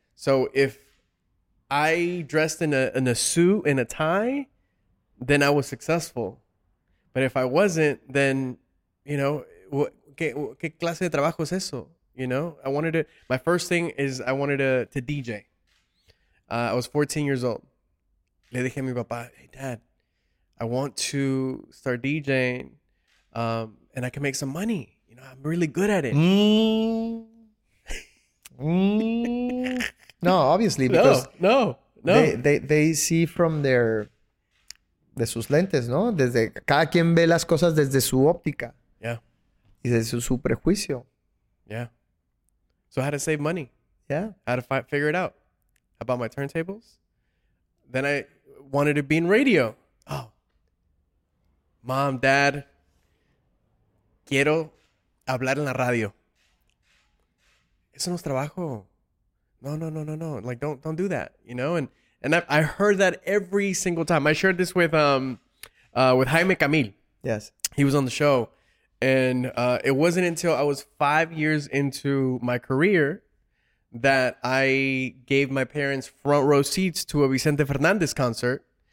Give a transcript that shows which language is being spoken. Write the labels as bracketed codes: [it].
[en] So if I dressed in a suit and a tie, then I was successful. But if I wasn't, then, you know, [es] ¿qué clase de trabajo es eso? [en] You know, I wanted to, my first thing is I wanted to DJ. I was 14 years old. [es] Le dije a mi papá, [en] "Hey, Dad, I want to start DJing and I can make some money. You know, I'm really good at it." Mm. No, obviously. Because No. They see from their, [es] de sus lentes, ¿no? Desde, cada quien ve las cosas desde su óptica. [en] Yeah. [es] Y desde su prejuicio. [en] Yeah. So I had to save money. Yeah. I had to figure it out. I bought my turntables. Then I wanted to be in radio. Oh. Mom, Dad, [es] quiero hablar en la radio. Eso no es trabajo. No. [en] Like, don't do that, you know? And I heard that every single time. I shared this with Jaime Camil. Yes. He was on the show. And it wasn't until I was 5 years into my career that I gave my parents front row seats to a Vicente Fernandez concert.